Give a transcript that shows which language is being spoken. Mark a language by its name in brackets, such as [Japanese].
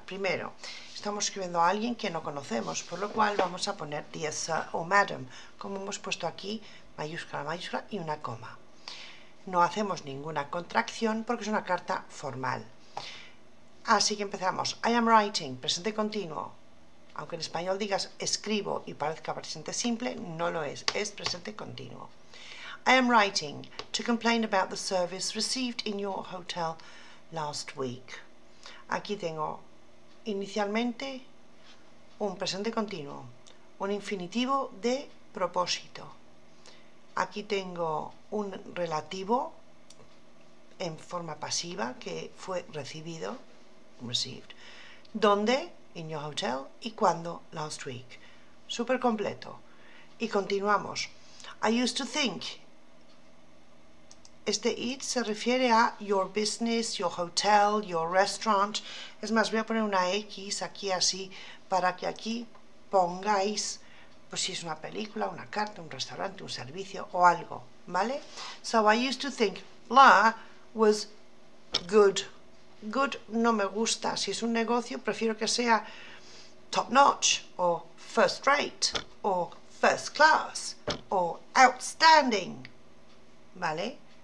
[Spanish] Primero, estamos escribiendo a alguien que no conocemos, por lo cual vamos a poner Dear Sir o Madam, como hemos puesto aquí, mayúscula, mayúscula y una coma. No hacemos ninguna contracción porque es una carta formal. Así que empezamos. I am writing, presente continuo. Aunque en español digas escribo y parezca presente simple, no lo es. Es presente continuo. [English] I am writing to complain about the service received in your hotel last week. [Spanish] Aquí tengo inicialmente un presente continuo, un infinitivo de propósito. Aquí tengo un relativo en forma pasiva que fue recibido. [English] Received. ¿Dónde? In your hotel. ¿Y cuándo? Last week. Súper completo. Y continuamos. I used to think. [Spanish] Este it se refiere a your business, your hotel, your restaurant. Es más, voy a poner una X aquí así para que aquí pongáis, pues si es una película, una carta, un restaurante, un servicio o algo. ¿Vale? [English] So I used to think blah was good. [Spanish] Good no me gusta. Si es un negocio, prefiero que sea top notch o first rate o first class o outstanding. ¿Vale?